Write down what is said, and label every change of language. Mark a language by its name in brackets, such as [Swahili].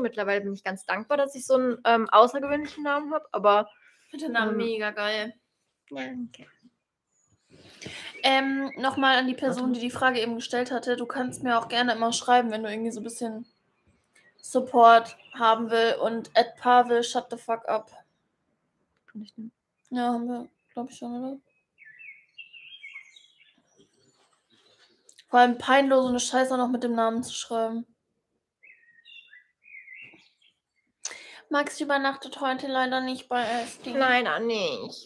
[German] Mittlerweile bin ich ganz dankbar, dass ich so einen außergewöhnlichen Namen habe. Aber ich finde den Namen mega geil. Danke. Nochmal an die Person, die Frage eben gestellt hatte. Du kannst mir auch gerne immer schreiben, wenn du irgendwie so ein bisschen Support haben will. [English] Und @Pavel, shut the fuck up. [German] Kann ich denn? Ja, haben wir, glaube ich schon, oder? Vor allem peinlich, so eine Scheiße noch mit dem Namen zu schreiben. Max übernachtet heute leider nicht bei SD. Leider nicht.